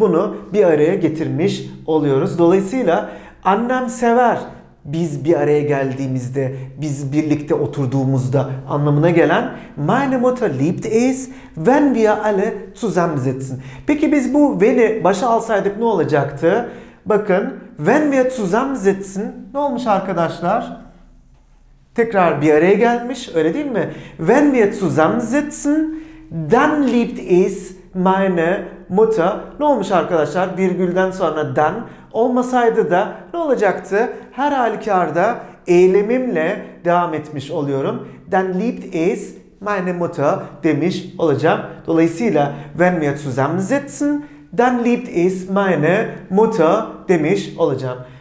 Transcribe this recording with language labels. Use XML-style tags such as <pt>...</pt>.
<tr>Bunu bir araya getirmiş oluyoruz. Dolayısıyla annem sever biz bir araya geldiğimizde, biz birlikte oturduğumuzda anlamına gelen</tr> <de>meine Mutter liebt es, wenn wir alle zusammen sitzen.</de> <tr>Peki biz bu wenn'i başa alsaydık ne olacaktı? Bakın,</tr> <de>wenn wir zusammen sitzen,</de> <tr>ne olmuş arkadaşlar? Tekrar bir araya gelmiş, öyle değil mi?</tr> <de>Wenn wir zusammen sitzen, dann liebt es meine Mutter.</de> <tr>Ne olmuş arkadaşlar? Virgülden sonra dann olmasaydı da ne olacaktı? Her halükarda eylemimle devam etmiş oluyorum.</tr> <de>Dann liebt es meine Mutter</de> <tr>demiş olacağım. Dolayısıyla</tr> <de>wenn wir zusammen sitzen, dann liebt es meine Mutter</de> <tr>demiş olacağım.</tr>